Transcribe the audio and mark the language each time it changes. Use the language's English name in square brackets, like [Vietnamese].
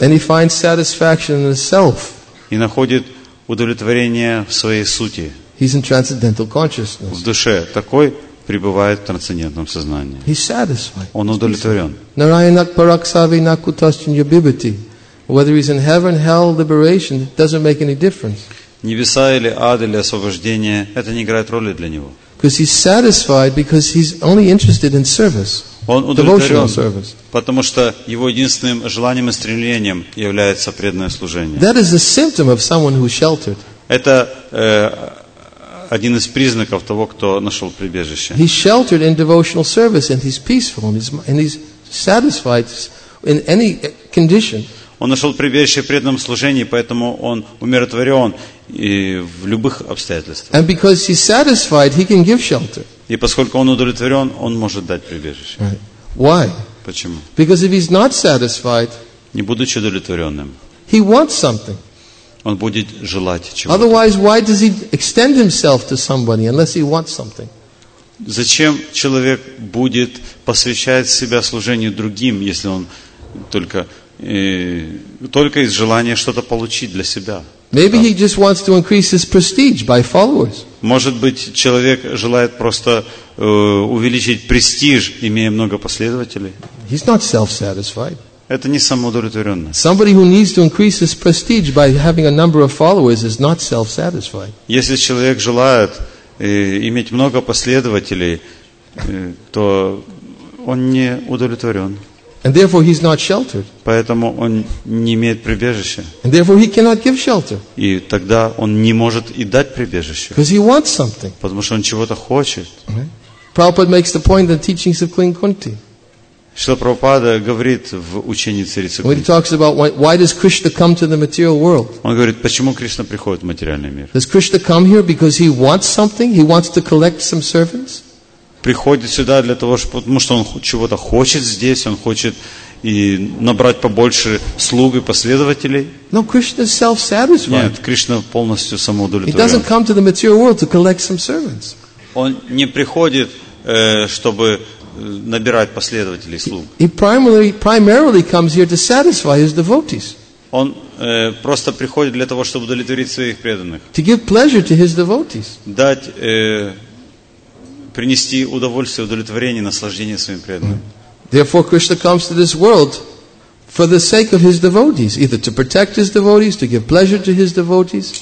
[English] And he finds satisfaction in himself. [Russian] И находит удовлетворение в своей сути. [English] He's in transcendental consciousness. [Russian] В душе. Такой пребывает в трансцендентном сознании. [English] He's satisfied. [Russian] Он удовлетворен. [Sanskrit] Narayanak paraksavi nakutaschin yabibati. [English] Whether he's in heaven, hell, liberation, it doesn't make any difference. [Russian] Небеса или ад, или освобождение, это не играет роли для него. [English] Because he's satisfied because he's only interested in service. [Russian] Он удовлетворен, потому что его единственным желанием и стремлением является преданное служение. [English] That is a symptom of someone who's sheltered. [Russian] Это один из признаков того, кто нашел прибежище. [English] He's sheltered in devotional service and he's peaceful and he's satisfied in any condition. [Russian] Он нашел прибежище в преданном служении, поэтому он умиротворен и в любых обстоятельствах. [English] And because he's satisfied, he can give shelter. [Russian] И поскольку он удовлетворен, он может дать прибежище. [English] Right. Why? [Russian] Почему? [English] Because if he's not satisfied, [Russian] не будучи удовлетворенным, [English] he wants something. [Russian] Он будет желать чего-то. [English] Otherwise, why does he extend himself to somebody unless he wants something? [Russian] Зачем человек будет посвящать себя служению другим, если он только из желания что-то получить для себя? [English] Maybe he just wants to increase his prestige by followers. [Russian] Может быть, человек желает просто увеличить престиж, имея много последователей. [English] He's not self-satisfied. [Russian] Это не самоудовлетворенно. [English] Somebody who needs to increase his prestige by having a number of followers is not self-satisfied. [Russian] Если человек желает иметь много последователей, то он не удовлетворен. [English] And therefore he's not sheltered. [Russian] Поэтому он не имеет прибежища. [English] And therefore he cannot give shelter. [Russian] И тогда он не может и дать прибежище. [English] Because he wants something. [Russian] Потому что он чего-то хочет. [English] Okay. Prabhupada makes the point in the teachings of Queen Kunti. [Russian] Шрила Прабхупада говорит в учении царицы Кунти. [English] When he talks about why does Krishna come to the material world? [Russian] Он говорит, почему Кришна приходит в материальный мир? [English] Does Krishna come here because he wants something? He wants to collect some servants? [Russian] Приходит сюда для того, потому что он чего-то хочет здесь, он хочет и набрать побольше слуг и последователей. [English] No, Krishna is self-satisfied. [Russian] Нет, Кришна полностью самоудовлетворен. [English] He doesn't come to the material world to collect some servants. [Russian] Он не приходит, чтобы набирать последователей слуг. [English] He primarily comes here to satisfy his devotees. [Russian] Он просто приходит для того, чтобы удовлетворить своих преданных. [English] To give pleasure to his devotees. [Russian] Дать принести удовольствие, удовлетворение, наслаждение своим преданным. [English] Therefore, Krishna comes to this world for the sake of his devotees, either to protect his devotees, to give pleasure to his devotees.